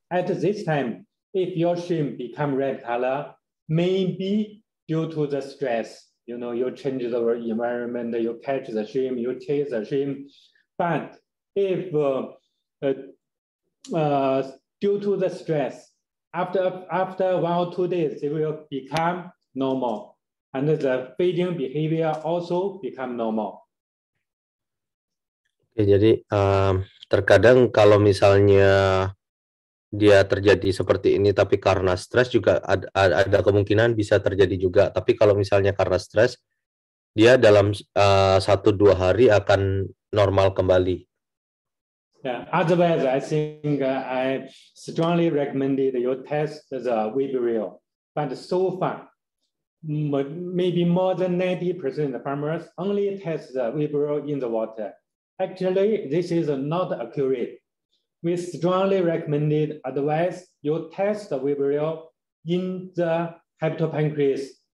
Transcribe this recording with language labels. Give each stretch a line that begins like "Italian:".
English: At this time, if your shrimp become red color, maybe due to the stress, you know, you change the environment, you catch the shrimp, you chase the shrimp. But if due to the stress, after 1 or 2 days, it will become normal, and the feeding behavior also become normal.
Indonesian: Okay, jadi terkadang kalau misalnya dia terjadi seperti ini, tapi karena stres juga ada kemungkinan bisa terjadi juga. Tapi kalau misalnya karena stres, dia dalam 1-2 hari akan normal kembali.
English: Yeah, otherwise I think I strongly recommended you test the vibrio, but so far maybe more than 90% of the farmers only test the vibrio in the water. Actually, this is not accurate. We strongly recommended otherwise you test the Vibrio in the hepatopancreas.